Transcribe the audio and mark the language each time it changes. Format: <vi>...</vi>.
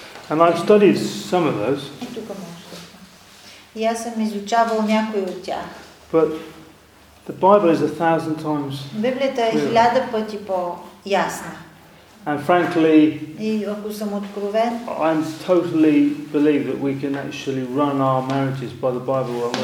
<en>And I've studied some of those.</en> <bg>И тук може да са. И аз съм изучавал някои от тях.</bg> <en>But the Bible is 1,000 times clearer.</en> <bg>Библията е 1,000 пъти по-ясна.</bg> <en>And frankly,</en> <bg>и ако съм откровен,</bg> <en>I totally believe that we can actually run our marriages by the Bible.</en>